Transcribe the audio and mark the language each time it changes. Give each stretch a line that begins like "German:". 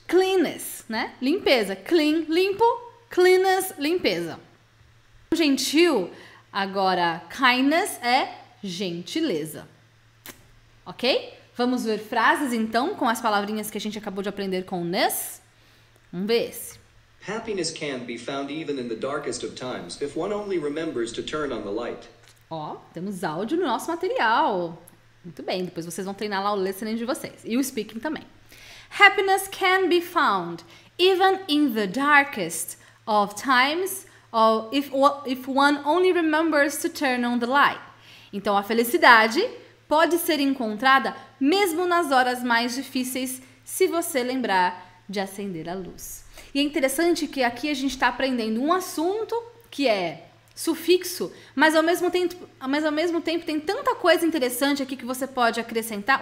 Portuguese: Cleanness, né? Limpeza. Clean, limpo. Cleanness, limpeza. Gentil. Agora, kindness é gentileza. Ok? Vamos ver frases, então, com as palavrinhas que a gente acabou de aprender com o ness? Vamos ver esse.
English: Happiness can be found even in the darkest of times, if one only remembers to turn on the light.
Portuguese: Ó, temos áudio no nosso material. Muito bem, depois vocês vão treinar lá o listening de vocês. E o speaking também.
English: Happiness can be found even in the darkest of times, or if one only remembers to turn on the light.
Portuguese: Então, a felicidade pode ser encontrada mesmo nas horas mais difíceis, se você lembrar de acender a luz. E é interessante que aqui a gente está aprendendo um assunto que é sufixo, mas ao mesmo tempo tem tanta coisa interessante aqui que você pode acrescentar.